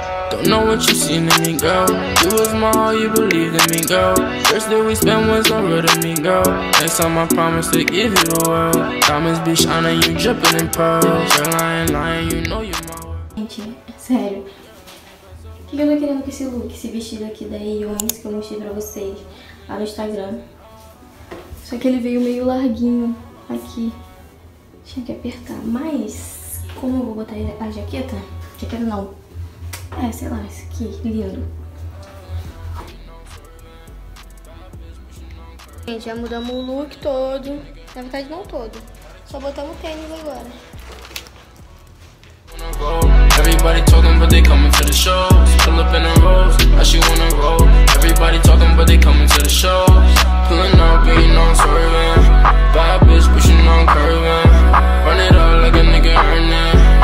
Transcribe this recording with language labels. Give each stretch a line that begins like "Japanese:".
English: Don't know what you seen in me, girl. You was my all, you believed in me, girl. First day we spent was not rid of me, girl. Next time I promise to give you the world. Diamonds be shining, you dripping in pearls. Girl, I ain't lying, you know you my world.
Portuguese: Gente, sério. O que eu tô querendo com esse look, esse vestido aqui da Yonis que eu mostrei pra vocês lá no Instagram? Só que ele veio meio larguinho aqui. Tinha que apertar, mas como eu vou botar a jaqueta? Jaqueta não. É, sei lá, isso aqui, lindo. Gente, já mudamos o look todo. Na verdade, não todo. Só botamos o tênis agora.
English: Everybody talking, but they coming to the show. Pull up in a rose, how she wanna roll. Everybody talking, but they coming to the show. Pulling up, being on swerving. Bad bitch pushing on curving. Run it up like a nigga earning.